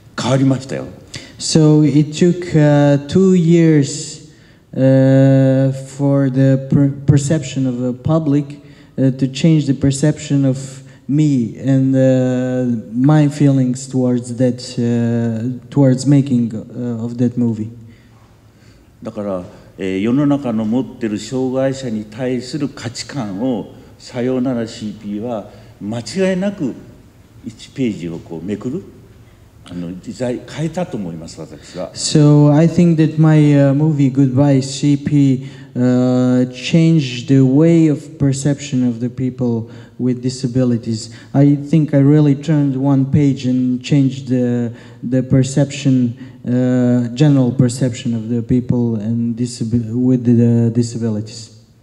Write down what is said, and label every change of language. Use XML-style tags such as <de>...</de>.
<ja>変わりましたよ。</ja> <en>So it took two years for the perception of the public to change the perception of me and my feelings towards that towards making of that movie.</en> <ja>だから、世の中の持ってる障害者に対する価値観をさようなら CP は間違いなく1ページをこうめくる。</ja> <en>So I think that my movie Goodbye CP changed the way of perception of the people with disabilities. I think I really turned one page and changed the perception, general perception of the people and with the disabilities.</en>